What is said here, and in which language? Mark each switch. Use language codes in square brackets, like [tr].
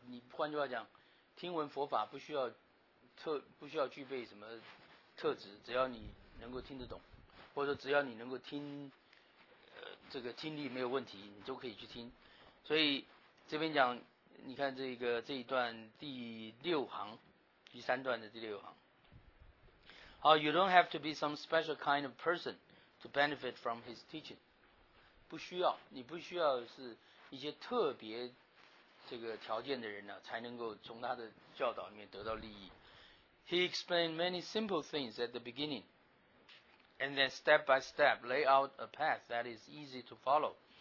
[zh] 你换句话讲，听闻佛法不需要具备什么特质，只要你能够听得懂，或者只要你能够听这个听力没有问题，你都可以去听。所以这边讲，你看这个这一段第六行，第三段的第六行。 [en] 好， you don't have to be some special kind of person to benefit from his teaching. [zh] 不需要，你不需要是一些特别这个条件的人呢，才能够从他的教导里面得到利益。 [en] He explained many simple things at the beginning, and then step by step lay out a path that is easy to follow.